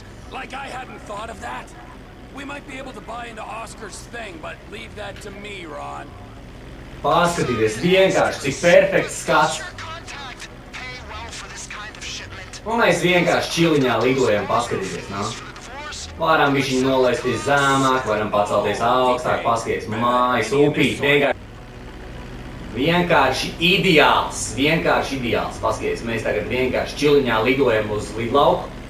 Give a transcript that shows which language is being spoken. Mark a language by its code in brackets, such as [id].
[en] Like I hadn't thought of that. We might be able to buy into Oscar's thing, but leave that to me, Ron. [lv] Paskatīties, vienkārši, cik perfekts skats. [en] Contact, pay well for this kind of shipment. [lv] Un mēs vienkārši čiliņā līgojam paskatīties, no? Varam bišķi nolaisties zemāk, varam pacelties augstāk, paskatīties mājas, upīt, vienkārši... Vienkārši ideāls, vienkārši ideāls, paskatīties. Mēs tagad vienkārši čiliņā līgojam uz lidlauku.